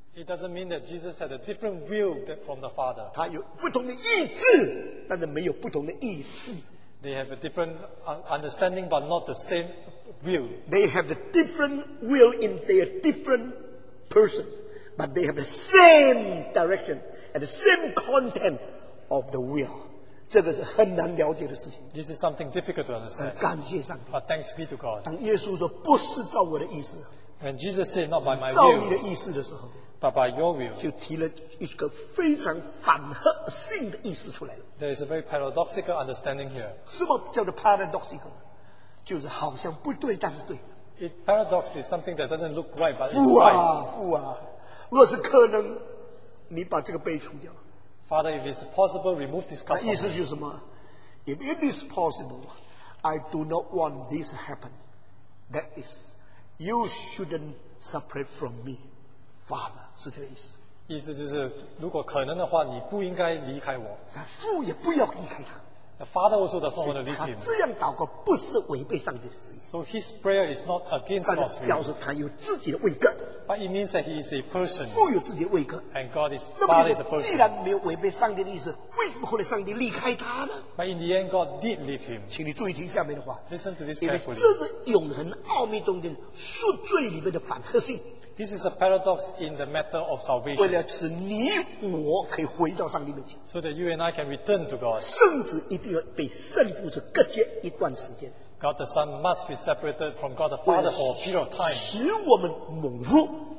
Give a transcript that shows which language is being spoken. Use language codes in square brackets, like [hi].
[en] It doesn't mean that Jesus had a different will from the Father. [zh] 他有不同的意志，但是没有不同的意思。 [en] They have a different understanding, but not the same will. They have a different will in their different person, but they have the same direction and the same content of the will. [zh] 这个是很难了解的事情。 [en] This is something difficult to understand. [zh] 感谢上帝。 [en] But thanks be to God. [zh] 当耶稣说不是照我的意思， [en] When Jesus said not by my [zh] 照你的意思的时候， [en] will, but by your will, [zh] 就提了一个非常反合性的意思出来了。 [en] There is a very paradoxical understanding here. [zh] 什么叫做 paradoxical? 就是好像不对，但是对。 [en] It paradox is something that doesn't look right, but it's [zh] 父啊，父啊，若是可能， 你把这个杯除掉。 [en] Father, if it's possible, remove this cup. [zh] 那意思就是什么？ [en] If it is possible, I do not want this to happen. That is, you shouldn't separate from me. Father, [zh] 意思就是，如果可能的话，你不应该离开我。父也不要离开他。 [en] The Father also does not want to leave him. [zh] 这样祷告不是违背上帝的旨意。 [en] So his prayer is not against God's will. [zh] 但是表示他有自己的位格。 [en] But it means that he is a person. [zh] 父有自己的位格。 [en] And God is Father is a person. [zh] 既然没有违背上帝的意思，为什么后来上帝离开他呢？ [en] But in the end, God did leave him. [zh] 请你注意听下面的话。 [en] Listen to this carefully. [zh] 因为这是永恒奥秘中的赎罪里面的反合性。 [en] This is a paradox in the matter of salvation. So that you and I can return to God. God the Son must be separated from God the Father for a period of time.